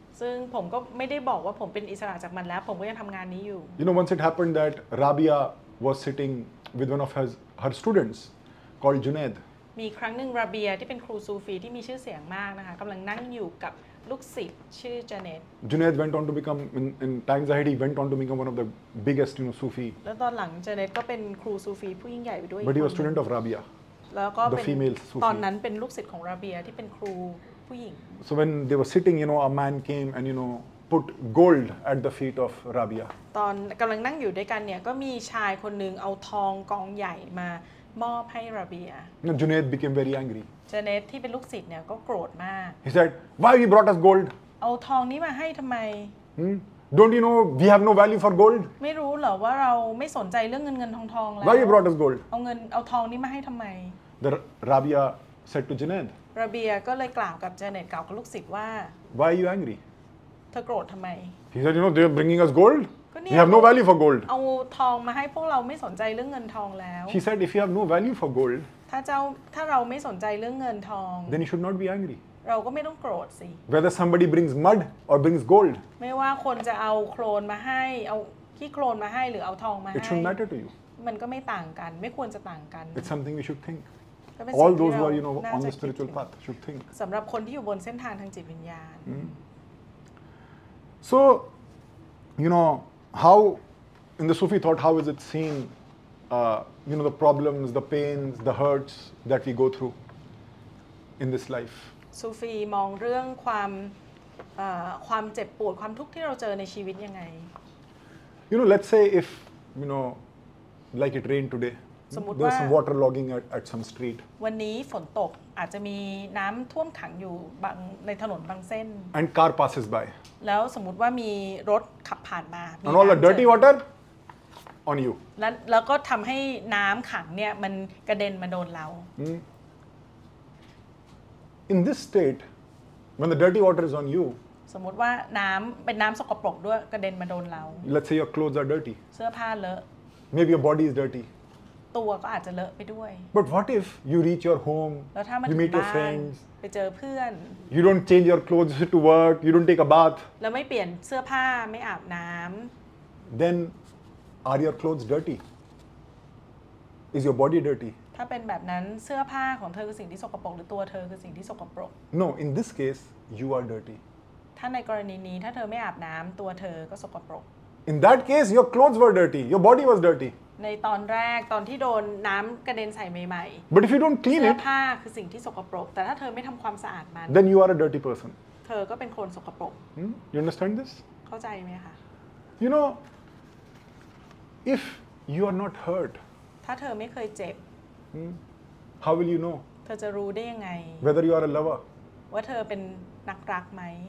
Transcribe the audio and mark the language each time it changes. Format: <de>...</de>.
<th>ซึ่งผมก็ไม่ได้บอกว่าผมเป็นอิสระจากมันแล้วผมก็ยังทำงานนี้อยู่</th> <en>You know, once it happened that Rabia was sitting with one of her students called Junaid.</en> <th>มีครั้งนึง Rabia ที่เป็นครูซูฟีที่มีชื่อเสียงมากนะคะกำลังนั่งอยู่กับลูกศิษย์ชื่อ Junaid.</th> <en>Junaid went on to become in times ahead he went on to become one of the biggest you know Sufi.</en> <th>แล้วตอนหลัง Junaid ก็เป็นครูซูฟีผู้ยิ่งใหญ่ไปด้วย</th> <en>But he was student of Rabia.</en> <th>แล้วก็ เป็นตอนนั้นเป็นลูกศิษย์ของ Rabia ที่เป็นครู</th> <en>So when they were sitting, you know, a man came and you know put gold at the feet of Rabia.</en> <th>ตอนกำลังนั่งอยู่ด้วยกันเนี่ยก็มีชายคนหนึ่งเอาทองกองใหญ่มามอบให้ Rabia.</th> <en>Now Junaid became very angry.</en> <th>Junaid ที่เป็นลูกศิษย์เนี่ยก็โกรธมาก</th> <en>He said, "Why you brought us gold?</en> <th>เอาทองนี้มาให้ทำไม</th> <en>Don't you know we have no value for gold?</en> <th>ไม่รู้เหรอว่าเราไม่สนใจเรื่องเงินทองแล้ว</th> <en>Why you brought us gold?</en> <th>เอาเงินเอาทองนี้มาให้ทำไม</th> <en>The Rabia said to Junaid.</en> <th>ระเบียก็เลยกล่าวกับเจเน็ตกล่าวกับลูกศิษย์ว่า</th> <en>Why are you angry?</en> <th>เธอโกรธทำไม</th> <en>He said you know they are bringing us gold. We have no value for gold.</en> <th>เอาทองมาให้พวกเราไม่สนใจเรื่องเงินทองแล้ว</th> <en>He said if you have no value for gold.</en> <th>ถ้าเจ้าถ้าเราไม่สนใจเรื่องเงินทอง</th> <en>Then you should not be angry.</en> <th>เราก็ไม่ต้องโกรธสิ</th> <en>Whether somebody brings mud or brings gold.</en> <th>ไม่ว่าคนจะเอาโคลนมาให้เอาขี้โคลนมาให้หรือเอาทองมาให้</th> <en>It should matter to you.</en> <th>มันก็ไม่ต่างกันไม่ควรจะต่างกัน</th> <en>It's something we should think. All those who are, you know, on the spiritual path should think.</en> <th>สำหรับคนที่อยู่บนเส้นทางทางจิตวิญญาณ</th> <en>So, you know, how in the Sufi thought, how is it seen, you know, the problems, the pains, the hurts that we go through in this life?</en> <th>Sufi มองเรื่องความความเจ็บปวดความทุกข์ที่เราเจอในชีวิตยังไง</th> <en>You know, let's say if, you know, like it rained today, there's some water logging at some street.</en> <th>วันนี้ฝนตกอาจจะมีน้ำท่วมขังอยู่บางในถนนบางเส้น</th> <en>And car passes by.</en> <th>แล้วสมมติว่ามีรถขับผ่านมา</th> <en>And all the dirty water on you.</en> <th>แล้วก็ทำให้น้ำขังเนี่ยมันกระเด็นมาโดนเรา</th> <en>In this state, when the dirty water is on you,</en> <th>สมมติว่าน้ำเป็นน้ำสกปรกด้วยกระเด็นมาโดนเรา</th> <en>Let's say your clothes are dirty</en> <th>เสื้อผ้าเลอะ</th> <en>Maybe your body is dirty</en> <th>ตัวก็อาจจะเลอะไปด้วย</th> <en>But what if you reach your home</en> <th>แล้วถ้ามาถึงบ้านไปเจอเพื่อน</th> <en>You don't change your clothes to work You don't take a bath</en> <th>แล้วไม่เปลี่ยนเสื้อผ้าไม่อาบน้ำ</th> <en>Then are your clothes dirty Is your body dirty</en> <th>ถ้าเป็นแบบนั้นเสื้อผ้าของเธอคือสิ่งที่สกปรกหรือตัวเธอคือสิ่งที่สกปรก</th> <en>No in this case you are dirty</en> <th>ถ้าในกรณีนี้ถ้าเธอไม่อาบน้ำตัวเธอก็สกปรก</th> <en>In that case your clothes were dirty your body was dirty</en> <th>ในตอนแรกตอนที่โดนน้ำกระเด็นใส่ใหม่ๆ</th> <en>But if you don't clean it</en> <th>เสื้อผ้าคือสิ่งที่สกปรกแต่ถ้าเธอไม่ทำความสะอาดมัน</th> <en>Then you are a dirty person</en> <th>เธอก็เป็นคนสกปรก</th> <en>You understand this</en> <th>เข้าใจไหมคะ</th> <en>You know if you are not hurt</en> <th>ถ้าเธอไม่เคยเจ็บ</th> <en>How will you know</en> <th>เธอจะรู้ได้ยังไง</th> <en>Whether you are a lover</en> <th>ว่าเธอเป็นนักรักไหม</th>